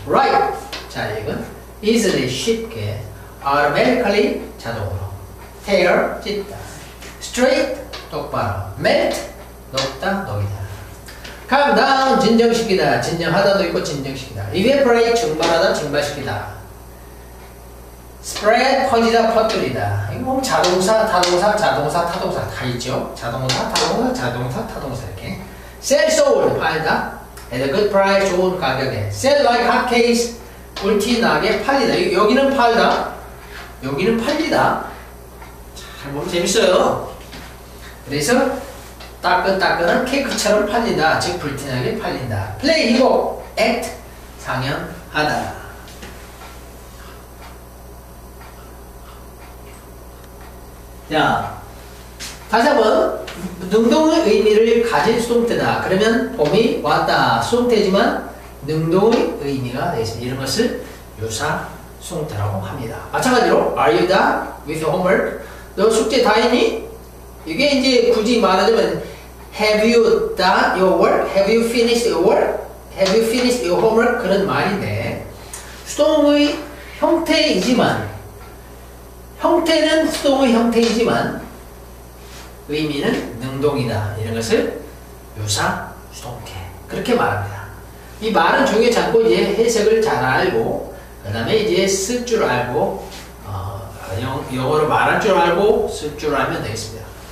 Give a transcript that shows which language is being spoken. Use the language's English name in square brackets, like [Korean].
[English] Right [Korean] 자 이건 [English] Easily [Korean] 쉽게 [English] Automatically [Korean] 자동으로 [English] Tear [Korean] 찢다 [English] Straight [Korean] 똑바로 [English] Melt [Korean] 녹다 녹이다 [English] Calm down, [Korean] 진정시키다, 진정하다도 있고 진정시키다. [English] Evaporate, [Korean] 증발하다, 증발시키다. [English] Spread, [Korean] 퍼지다, 퍼뜨리다. 이거 자동사, 타동사, 자동사, 타동사 다 있죠. 자동사, 타동사, 자동사, 타동사 이렇게. [English] Sell sold, [Korean] 팔다. [English] At a good price, [Korean] 좋은 가격에. [English] Sell like hot case, [Korean] 꿀티나게 팔리다. 여기는 팔다, 여기는 팔리다. 잘 보면 재밌어요. 그래서 따끈따끈한 케이크처럼 팔린다. 즉 불티나게 팔린다. 플레이 이거 액트 상영하다. 자 다시 한번 능동의 의미를 가진 수동태다. 그러면 봄이 왔다. 수동태지만 능동의 의미가 되겠습니다. 이런 것을 유사 수동태라고 합니다. 마찬가지로 [English] Are you done with your homework? [Korean] 너 숙제 다 했니? 이게 이제 굳이 말하자면 [English] Have you done your work? Have you finished your work? Have you finished your homework? [Korean] 그런 말인데 수동의 형태이지만 형태는 수동의 형태이지만 의미는 능동이다. 이런 것을 유사 수동태 그렇게 말합니다. 이 말은 중요 잡고 이제 해석을 잘 알고 그 다음에 이제 쓸 줄 알고 영어로 말할 줄 알고 쓸 줄 알면 되겠습니다.